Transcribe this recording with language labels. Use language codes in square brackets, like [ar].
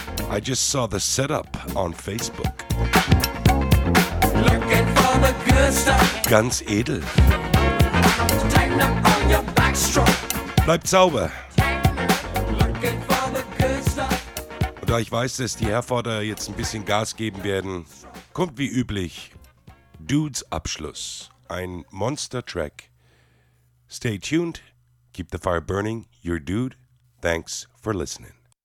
[en] I just saw the setup on Facebook. Looking for the good stuff. [de] Ganz edel. [en] Tighten up on your backstroke. [de] Bleibt sauber. [en] Looking for the good stuff. [de] Und da ich weiß, dass die Herforder jetzt ein bisschen Gas geben werden, kommt wie üblich Dudes Abschluss, ein Monster Track. [en] Stay tuned, keep the fire burning, your dude. Thanks for listening.